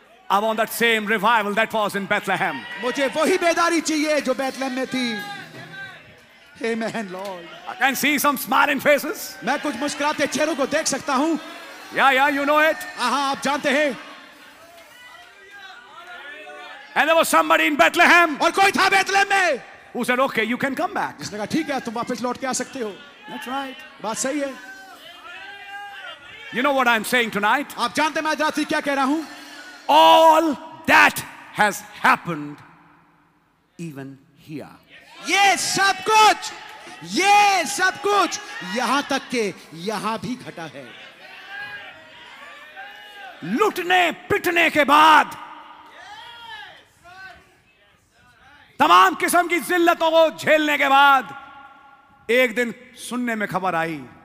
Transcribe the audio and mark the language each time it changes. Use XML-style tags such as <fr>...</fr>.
<en>I want that same revival that was in Bethlehem.</en> <hi>मुझे वही बेदारी चाहिए जो बेथलहम में थी.</hi> <en>Amen, Lord. I can see some smiling faces.</en> <hi>मैं कुछ मुस्कुराते चेहरों को देख सकता हूँ.</hi> <en>Yeah, you know it.</en> <hi>हाँ, आप जानते हैं.</hi> <en>And there was somebody in Bethlehem.</en> <hi>और कोई था बेथलहम में.</hi> <en>Who said, "Okay, you can come back."</en> <hi>जिसने कहा, ठीक है, तुम वापस लौट के आ सकते हो.</hi> <en>That's right.</en> <hi>बात सही है.</hi> <en>You know what I'm saying tonight?</en> <hi>आप जानते हैं मैं आज रात क्या कह रहा हूँ?</hi> <en>All that has happened, even here.</en> <hi>ये सब कुछ, यहाँ तक के यहाँ भी घटा है. लूटने, पिटने के बाद. तमाम किस्म की जिल्लतों को झेलने के बाद एक दिन सुनने में खबर आई.</hi>